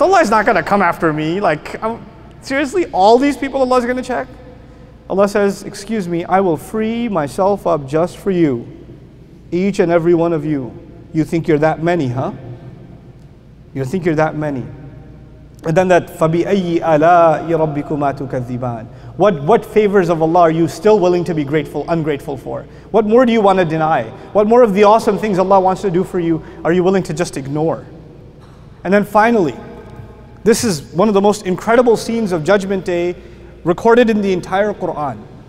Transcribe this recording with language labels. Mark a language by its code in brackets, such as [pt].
[en] Allah's not going to come after me. Like, seriously, all these people Allah's going to check? Allah says, excuse me, I will free myself up just for you. Each and every one of you. You think you're that many, huh? You think you're that many. And then that, [ar] فَبِأَيِّ أَلَاءِ رَبِّكُمَا تُكَذِّبَانِ. [en] What favors of Allah are you still willing to be ungrateful for? What more do you want to deny? What more of the awesome things Allah wants to do for you are you willing to just ignore? And then finally, this is one of the most incredible scenes of Judgment Day recorded in the entire Quran.